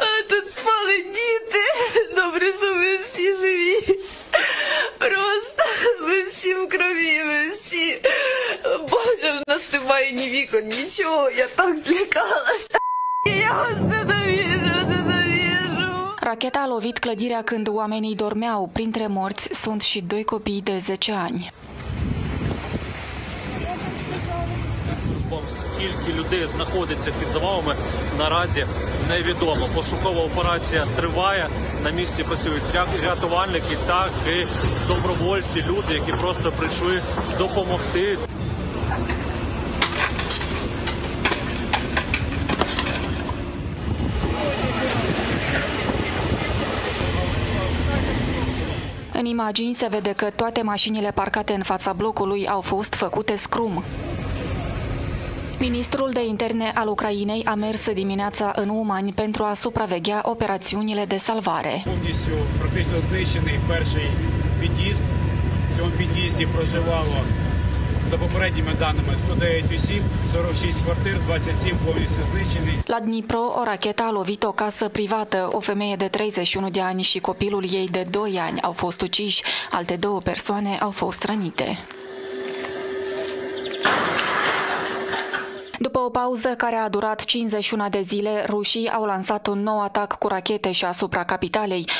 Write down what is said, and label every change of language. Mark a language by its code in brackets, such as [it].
[uk] Тут спали діти, добре, що ми всі живі, просто ми всі в крові, ми всі, Боже, в нас немає ні вікон, нічого, я так злякалася, я вас не довіжу, не довіжу. [ro] Racheta a lovit clădirea când oamenii dormeau, printre morți sunt și doi copii de 10 ani. Bun. [uk] скільки людей знаходиться під завалами, наразі невідомо. Пошукова операція триває, на місці працюють рятувальники, так і добровольці, люди, які просто прийшли допомогти. [ro] În imagini se vede că toate mașinile parcate în fața blocului au fost făcute scrum. Ministrul de Interne al Ucrainei a mers dimineața în Umani pentru a supraveghea operațiunile de salvare. Practic [uk] знищений перший під'їзд. В цьому під'їзді проживало, за попередніми даними, 109 осіб, 46 квартир, 27 повністю знищені. [ro] La Dnipro, o rachetă a lovit o casă privată. O femeie de 31 de ani și copilul ei de 2 ani au fost uciși. Alte două persoane au fost rănite. După o pauză care a durat 51 de zile, rușii au lansat un nou atac cu rachete și asupra capitalei.